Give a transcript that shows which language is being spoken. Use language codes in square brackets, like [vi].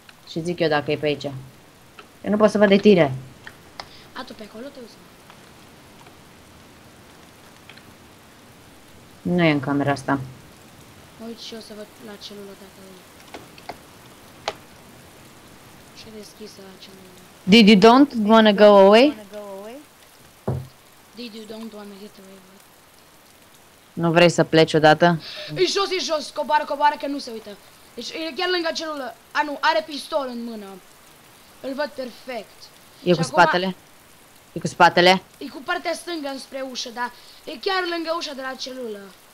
[ro] Și zic eu dacă e pe aici. Eu nu pot să văd de tine. A, tu pe acolo te uzi? Nu e în camera asta. Mă uit și eu să văd la celulă dacă e. Și deschisă la celulă. [en] Did you don't wanna go away? Did you don't wanna get away? [ro] Nu vrei să pleci odată? E jos, e jos, coboară, coboară că nu se uită. Deci e chiar lângă celulă. A, nu, are pistol în mână. Îl văd perfect. E și cu acum... spatele? E cu spatele? E cu partea stângă înspre ușă, dar e chiar lângă ușa de la celulă.